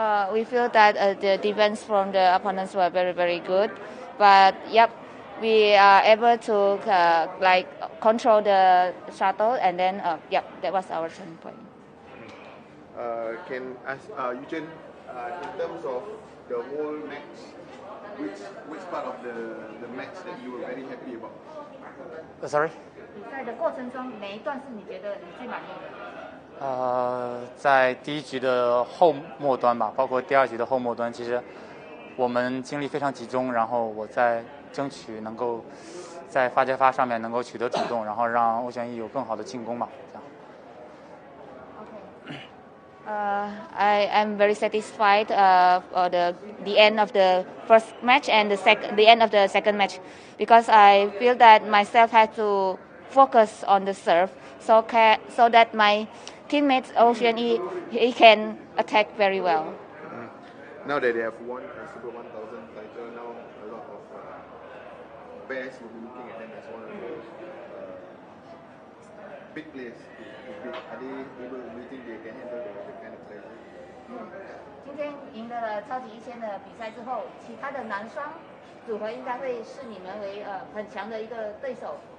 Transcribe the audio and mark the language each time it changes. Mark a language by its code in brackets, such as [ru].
[en] We feel that the defense from the opponents were very very good, but yep, we are able to like control the shuttle and then yep, that was our turning point. Can ask Eugene in terms of the whole match, which part of the match that you were very happy about? Sorry? [zh] 比赛的过程中哪一段是你觉得你最满意的？在第一局的后末端吧，包括第二局的后末端，其实我们精力非常集中，然后我在争取能够在发接发上面能够取得主动，然后让欧旋翼有更好的进攻吧，这样。 [en] I am very satisfied for the end of the first match and the end of the second match because I feel that myself had to focus on the serve so that my teammates Ocean he can attack very well. Now that they have won a Super 1000 title, now a lot of bears will be looking at them as one of the big players. Are they able to think they can handle the kind of players? [zh] 今天赢得了超级一千的比赛之后，其他的男双组合应该会视你们为很强的一个对手。